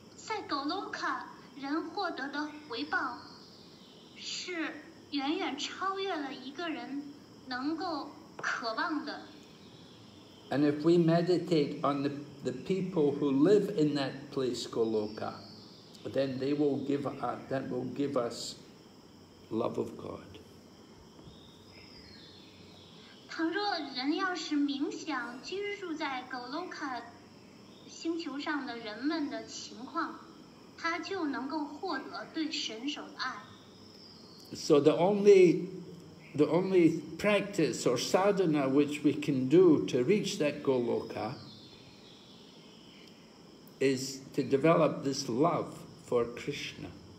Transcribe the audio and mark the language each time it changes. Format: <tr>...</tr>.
<zh>In Goloka, 人获得的回报是远远超越了一个人能够渴望的。</zh> <en>And if we meditate on the people who live in that place, Goloka, then that will give us love of God.</en> <zh>倘若人要是冥想居住在 Goloka 星球上的人们的情况，他就能够获得对神手的爱。</zh> <en>So the only practice or sadhana which we can do to reach that Goloka is to develop this love for Krishna.</en>